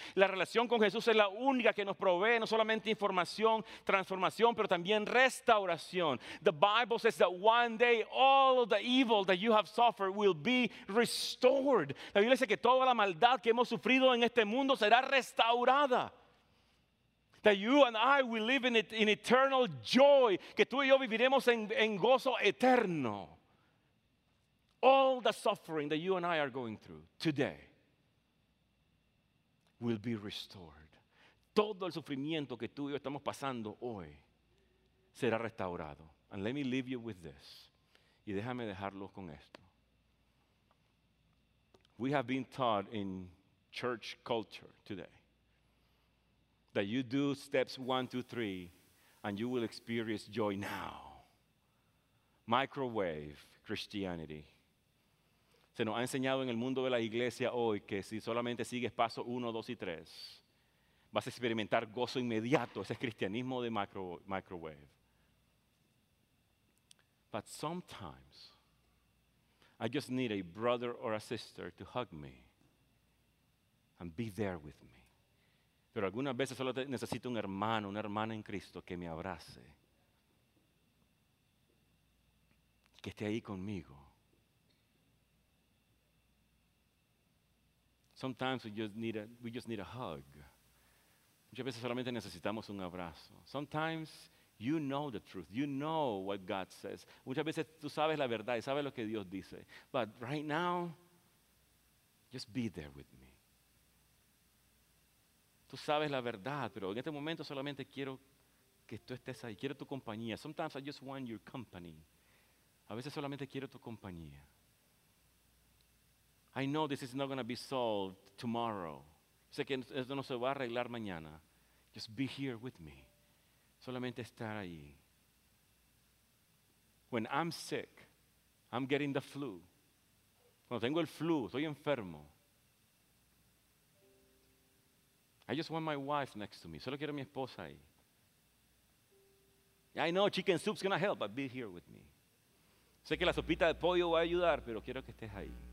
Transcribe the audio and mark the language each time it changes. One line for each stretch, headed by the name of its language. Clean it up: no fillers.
Spanish: La relación con Jesús es la única que nos provee no solamente información, transformación, pero también restauración.
English: The Bible says that one day all of the evil that you have suffered will be restored.
Spanish: La Biblia dice que toda la maldad que hemos sufrido en este mundo será restaurada.
English: That you and I will live in eternal joy.
Spanish: Que tú y yo viviremos en gozo eterno.
English: All the suffering that you and I are going through today will be restored.
Spanish: Todo el sufrimiento que tú y yo estamos pasando hoy será restaurado.
English: And let me leave you with this.
Spanish: Y déjame dejarlos con esto.
English: We have been taught in church culture today that you do steps 1, 2, 3 and you will experience joy now. Microwave Christianity.
Spanish: Se nos ha enseñado en el mundo de la iglesia hoy que si solamente sigues paso 1, 2 y 3, vas a experimentar gozo inmediato. Ese es cristianismo de microwave.
English: But sometimes, I just need a brother or a sister to hug me and be there with me.
Spanish: Pero algunas veces solo necesito un hermano, una hermana en Cristo que me abrace, que esté ahí conmigo.
English: Sometimes we just need a hug.
Spanish: Muchas veces solamente necesitamos un abrazo.
English: Sometimes you know the truth. You know what God says.
Spanish: Muchas veces tú sabes la verdad y sabes lo que Dios dice.
English: But right now, just be there with me.
Spanish: Tú sabes la verdad, pero en este momento solamente quiero que tú estés ahí. Quiero tu compañía.
English: Sometimes I just want your company.
Spanish: A veces solamente quiero tu compañía.
English: I know this is not going to be solved tomorrow.
Spanish: Sé que esto no se va a arreglar mañana.
English: Just be here with me.
Spanish: Solamente estar ahí.
English: When I'm sick, I'm getting the flu.
Spanish: Cuando tengo el flu, estoy enfermo.
English: I just want my wife next to me.
Spanish: Solo quiero mi esposa ahí.
English: I know chicken soup's going to help, but be here with me.
Spanish: Sé que la sopita de pollo va a ayudar, pero quiero que estés ahí.